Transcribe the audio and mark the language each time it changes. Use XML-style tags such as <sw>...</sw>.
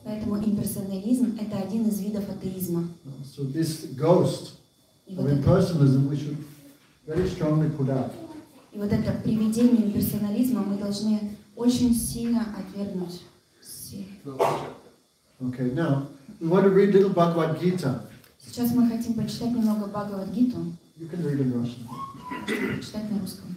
<ru>Поэтому имперсонализм — это один из видов атеизма.</ru> <en>So this ghost of impersonalism we should very strongly put out.</en> <ru>И вот это привидение имперсонализма мы должны очень сильно отвергнуть.</ru> <en>Okay, now we want to read a little Bhagavad Gita.</en> <ru>Сейчас мы хотим почитать немного Бхагавад Гиту.</ru> <en>You can read in Russian.</en> <ru>Читать на русском.</ru>